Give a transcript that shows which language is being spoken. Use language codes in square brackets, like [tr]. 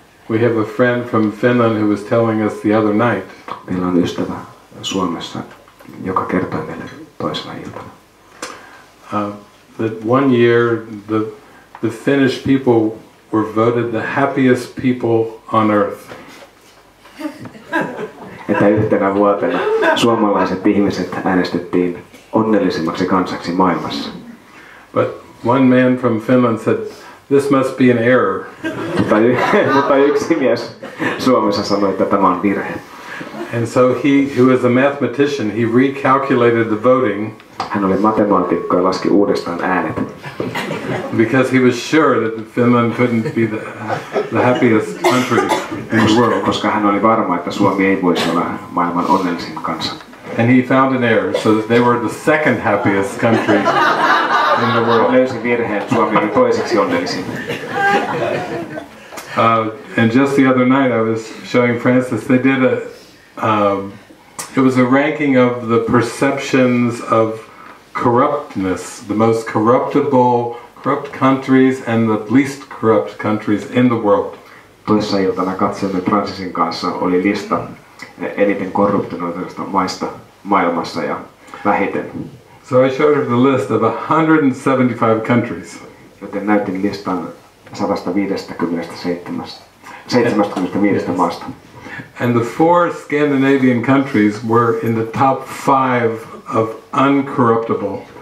[en] We have a friend from Finland who was telling us the other night. [fi] Meillä on ystävä Suomessa, joka kertoi meille toisena iltana. [en] That one year the Finnish people were voted the happiest people on earth. [fi] Että yhtenä vuotena suomalaiset ihmiset äänestettiin onnellisimmaksi kansaksi maailmassa. [en] But one man from Finland said, this must be an error. [fi] Mutta yksi mies Suomessa sanoi, että tämä on virhe. [en] And so he, who is a mathematician, he recalculated the voting. [fi] Hän oli matemaatikko ja laski uudestaan äänet. [en] Because he was sure that Finland couldn't be the happiest country in the world. [fi] Koska hän oli varma, että Suomi ei voisi olla maailman onnellisin kansa. [en] And he found an error, so that they were the second happiest country. In the world. [fi] Löysin virheen, Suomi oli toiseksi onnellisin. [en] And just the other night I was showing Francis, they did a, it was a ranking of the perceptions of corruptness, the most corrupt countries and the least corrupt countries in the world. [fi] Toissa iltana katsoimme Francisin kanssa, oli lista eniten korruptoituneista maista maailmassa ja vähiten. [en] So I showed her the list of 175 countries. [fi] Joten näytin listan 175 maasta. [en] And the four Scandinavian countries were in the top five of uncorruptible.